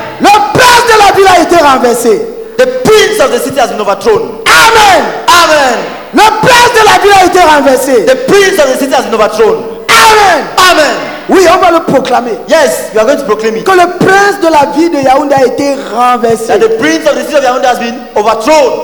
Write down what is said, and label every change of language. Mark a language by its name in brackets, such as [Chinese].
[French] Le prince de la ville a été renversé. [English] The prince of the city has been overthrown. Amen. Amen. [French] Le prince de la ville a été renversé. [English] The prince of the city has been overthrown. Amen. Amen. [French] Oui, on va le proclamer. [English] Yes, you are going to proclaim it. [French] Que le prince de la ville de Yaoundé a été renversé. [English] That the prince of the city of Yaoundé has been overthrown.